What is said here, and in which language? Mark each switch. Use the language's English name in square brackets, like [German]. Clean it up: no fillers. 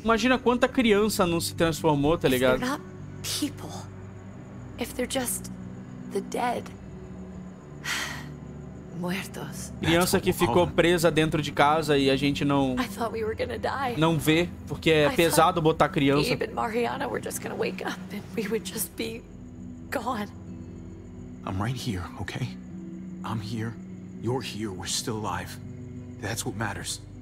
[Portuguese] Imagina quanta criança não se transformou, tá ligado? [English] If they're not people, if they're just the dead. [Spanish] Muertos. [Portuguese] Criança que ficou presa dentro de casa e a gente não. [English] I thought we were gonna die. [Portuguese] Não vê, porque é pesado botar criança. [English] Gabe and Mariana were just gonna wake up and we would just be gone. I'm right here, okay? I'm here. You're here. We're still alive. That's what matters.